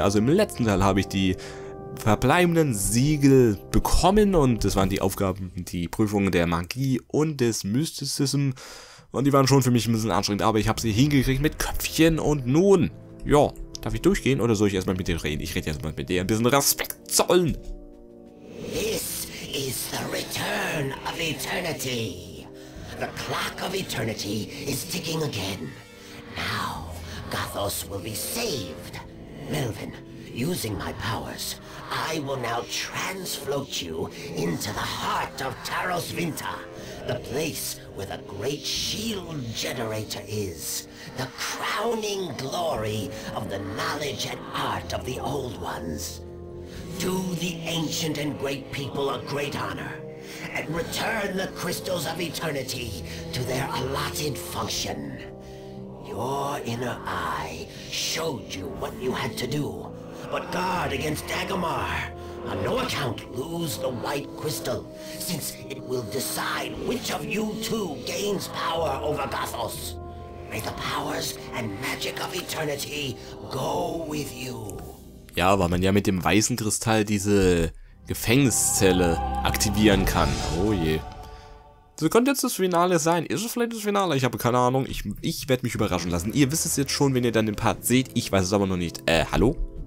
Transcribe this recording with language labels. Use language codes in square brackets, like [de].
[de] Also im letzten Teil habe ich die verbleibenden Siegel bekommen und das waren die Aufgaben, die Prüfungen der Magie und des Mysticism. Und die waren schon für mich ein bisschen anstrengend, aber ich habe sie hingekriegt mit Köpfchen und nun, ja, darf ich durchgehen oder soll ich erstmal mit dir reden? Ich rede erstmal mit dir ein bisschen Respekt zollen. [en] This is the return of eternity. The clock of eternity is ticking again. Now, Gothos will be saved. Melvin, using my powers, I will now transfloat you into the heart of Taros Vinta, the place where the great shield generator is, the crowning glory of the knowledge and art of the Old Ones. Do the ancient and great people a great honor. And return the crystals of eternity to their allotted function. Your inner eye showed you what you had to do. But guard against Dagomar. On no account lose the white crystal, since it will decide which of you two gains power over Gothos. May the powers and magic of eternity go with you. [de] Ja, weil man ja mit dem weißen Kristall diese Gefängniszelle aktivieren kann. Oh je. So könnte jetzt das Finale sein. Ist es vielleicht das Finale? Ich habe keine Ahnung. Ich werde mich überraschen lassen. Ihr wisst es jetzt schon, wenn ihr dann den Part seht. Ich weiß es aber noch nicht. Hallo?